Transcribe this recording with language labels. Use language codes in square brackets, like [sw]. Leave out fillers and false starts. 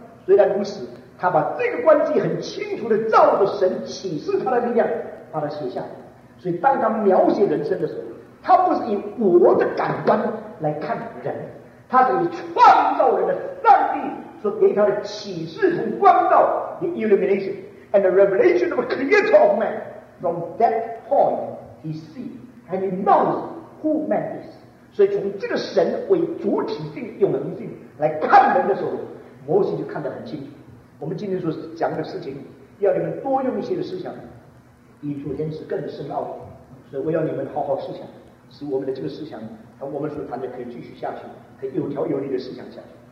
[zh] 虽然如此，他把这个关系很清楚地照着神启示他的力量把它写下来。所以当他描写人生的时候，他不是以我的感官来看人，他是以创造人的上帝所给他的启示和光照 [en] The illumination and the revelation of a creator of man. From that pointHe sees and he knows who man is. [zh] 所以从这个神为主体性永恒性来看人的时候，摩西就看得很清楚。我们今天所讲的事情，要你们多用一些的思想，比昨天是更深奥。所以我要你们好好思想，使我们的这个思想和我们所谈的可以继续下去，可以有条有理的思想下去。